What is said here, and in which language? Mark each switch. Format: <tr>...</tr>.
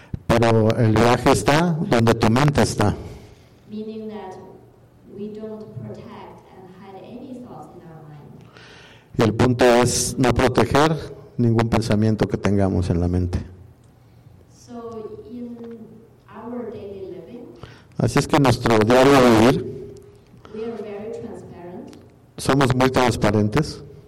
<es>Pero el viaje está donde tu mente está.</es> <en>Meaning that we don't protect and hide any thoughts in our mind.</en> <es>Y el punto es no proteger ningún pensamiento que tengamos en la mente.</es> <en>So in our daily living,</en> <es>así es que en nuestro diario de vivir,</es> <en>we are very transparent.</en> <es>Somos muy transparentes.</es>